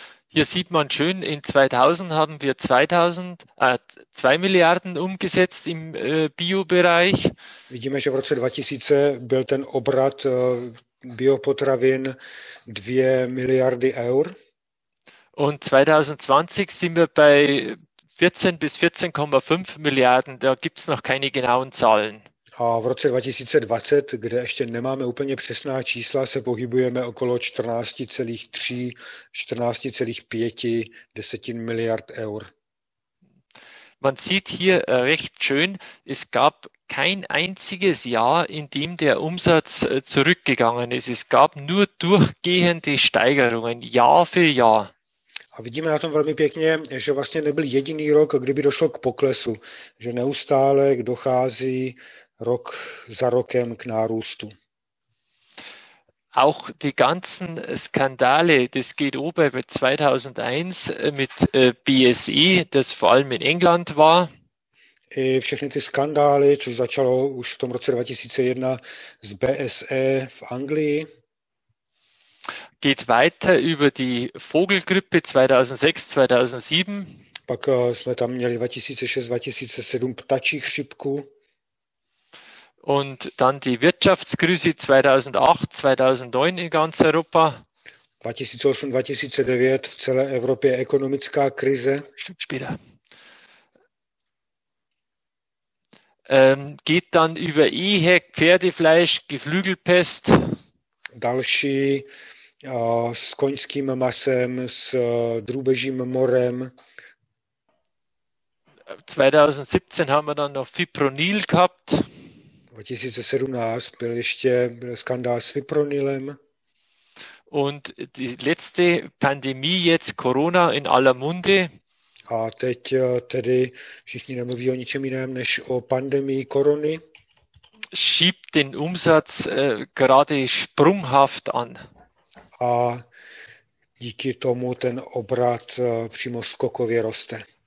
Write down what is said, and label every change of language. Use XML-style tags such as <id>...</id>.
<de>Hier sieht man schön, in 2000 haben wir 2 Milliarden umgesetzt im Biobereich.</de> <cs>Vidíme, že v roce 2000 byl ten obrat biopotravin 2 miliardy eur.</cs> <de>Und 2020 sind wir bei 14 bis 14,5 Milliarden, da gibt es noch keine genauen Zahlen.</de> <cs>A v roce 2020, kde ještě nemáme úplně přesná čísla, se pohybujeme okolo 14,3, 14,5 desetin miliard eur.</cs> <de>Man sieht hier recht schön, es gab kein einziges Jahr, in dem der Umsatz zurückgegangen ist. Es gab nur durchgehende Steigerungen, Jahr für Jahr.</de> <cs>A vidíme na tom velmi pěkně, že vlastně nebyl jediný rok, kdyby došlo k poklesu, že neustále dochází rok za rokem k nárůstu.</cs> <de>Auch die ganzen Skandale, das geht oben bei 2001 mit BSE, das vor allem in England war.</de> <cs>I všechny ty skandály, což začalo už v tom roce 2001 s BSE v Anglii.</cs> <de>Geht weiter über die Vogelgrippe 2006, 2007.</de> <cs>Pak jsme tam měli 2006, 2007 ptačí chřipku.</cs> <de>Und dann die Wirtschaftskrise 2008, 2009 in ganz Europa.</de> <cs>2008, 2009 v celé Evropě ekonomická krize.</cs> <de>Später. Geht dann über Ehek, Pferdefleisch, Geflügelpest.</de> <cs>Další s koňským masem, s drůbežím morem.</cs> <de>2017 haben wir dann noch Fipronil gehabt.</de> <cs>2017 byl ještě skandál s Fipronilem.</cs> <de>Und die letzte Pandemie jetzt Corona in aller Munde.</de> <cs>A teď tedy všichni nemluví o ničem jiném než o pandemii korony.</cs> <de>Schiebt den Umsatz gerade sprunghaft an.</de> <cs>A díky tomu ten obrat přímo skokově roste.</cs>